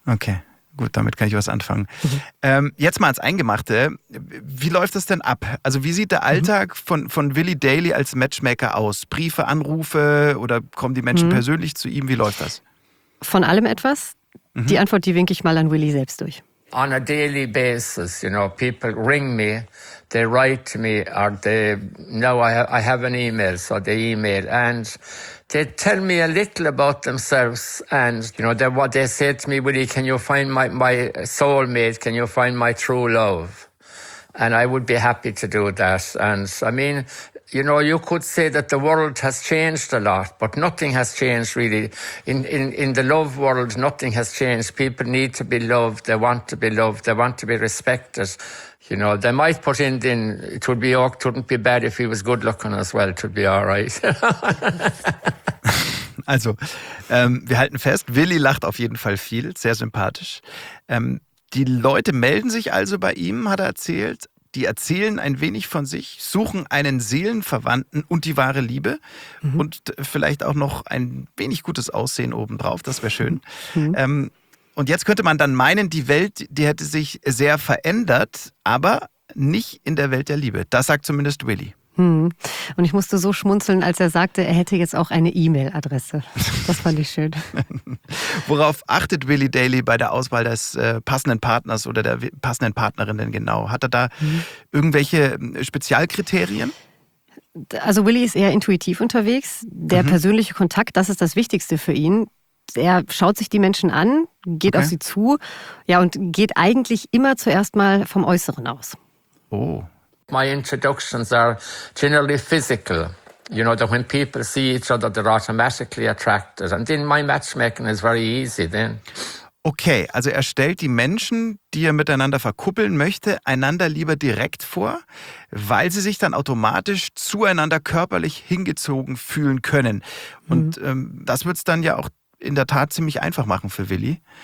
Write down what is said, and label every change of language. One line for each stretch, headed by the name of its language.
German: Okay, gut, damit kann ich was anfangen. Mhm. Jetzt mal ans Eingemachte. Wie läuft das denn ab? Also wie sieht der Alltag von Willie Daly als Matchmaker aus? Briefe, Anrufe oder kommen die Menschen persönlich zu ihm? Wie läuft das? Von allem etwas? Mhm. Die Antwort, die winke ich mal an Willie selbst durch.
English: On a daily basis, you know, people ring me, they write me, or they know I have an email, so they email and they tell me a little about themselves and, you know, what they say to me, Willie, can you find my soulmate? Can you find my true love? And I would be happy to do that. And I mean, you know, you could say that the world has changed a lot, but nothing has changed really. In the love world, nothing has changed. People need to be loved. They want to be loved. They want to be respected. You know, they might put in, it would be awkward, wouldn't be bad if he was good looking as well. It would be all right.
German: Also, wir halten fest, Willi lacht auf jeden Fall viel, sehr sympathisch. Die Leute melden sich also bei ihm, hat er erzählt. Die erzählen ein wenig von sich, suchen einen Seelenverwandten und die wahre Liebe und vielleicht auch noch ein wenig gutes Aussehen obendrauf, das wäre schön. Mhm. Und jetzt könnte man dann meinen, die Welt, die hätte sich sehr verändert, aber nicht in der Welt der Liebe. Das sagt zumindest Willie. Und ich musste so schmunzeln, als er sagte, er hätte jetzt auch eine E-Mail-Adresse. Das fand ich schön. Worauf achtet Willie Daly bei der Auswahl des passenden Partners oder der passenden Partnerin denn genau? Hat er da irgendwelche Spezialkriterien? Also Willie ist eher intuitiv unterwegs. Der persönliche Kontakt, das ist das Wichtigste für ihn. Er schaut sich die Menschen an, geht auf sie zu, ja, und geht eigentlich immer zuerst mal vom Äußeren aus. Oh.
English: My introductions are generally physical. You know, that when people see each other, they're automatically attracted. And then my matchmaking is very easy then.
German: Okay, also er stellt die Menschen, die er miteinander verkuppeln möchte, einander lieber direkt vor, weil sie sich dann automatisch zueinander körperlich hingezogen fühlen können. Und das wird es dann ja auch in der Tat ziemlich einfach machen für Willi.